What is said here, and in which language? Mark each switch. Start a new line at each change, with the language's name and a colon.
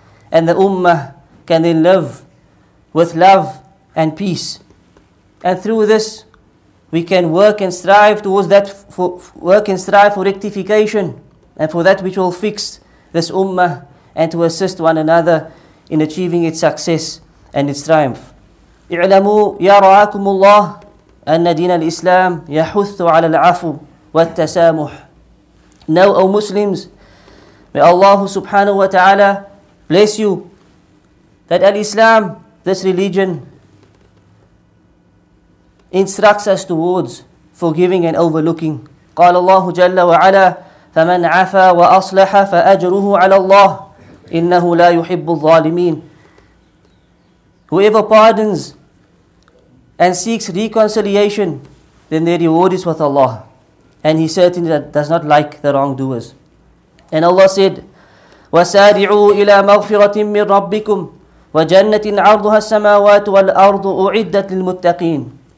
English: and the Ummah can then live with love and peace. And through this, we can work and strive towards that, work and strive for rectification and for that which will fix this Ummah and to assist one another in achieving its success and its triumph.
Arabic: اعلموا يا رعاكم الله أن دين الإسلام يحث على العفو والتسامح.
English: Now, O Muslims, may Allah subhanahu wa ta'ala bless you that al-Islam, this religion, instructs us towards forgiving and overlooking.
Arabic: قال الله جل وعلا فمن عفا وأصلح فأجره على الله إنه لا يحب الظالمين.
English: Whoever pardons and seeks reconciliation, then their reward is with Allah. And He certainly does not like the wrongdoers. And Allah said,
Arabic: وَسَارِعُوا إِلَىٰ مَغْفِرَةٍ مِّن رَبِّكُمْ وَجَنَّةٍ عَرْضُهَا السَّمَاوَاتُ وَالْأَرْضُ أُعِدَّتْ لِلْمُتَّقِينَ.